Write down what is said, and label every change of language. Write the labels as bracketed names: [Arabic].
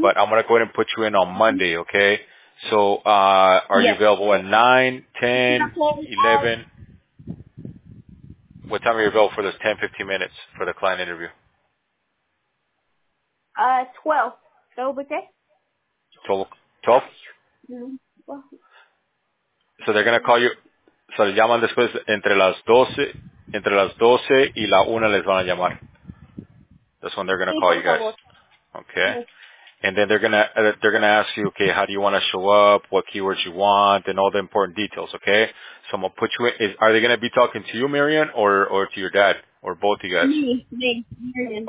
[English] But I'm going to go ahead and put you in on Monday, okay? So, are you available at 9, 10, 11? What time are you available for those 10, 15 minutes for the client interview? 12. 12? Mm-hmm. So, they're going to call you. [Spanish] So, le llaman después entre las 12 y la 1 les van a llamar. [English] That's when they're going to call you guys. Okay. And then they're gonna ask you, okay, how do you want to show up? What keywords you want? And all the important details, okay? So I'm gonna put you in. Are they gonna be talking to you, Marian, or to your dad, or both of you guys? Me, Marian.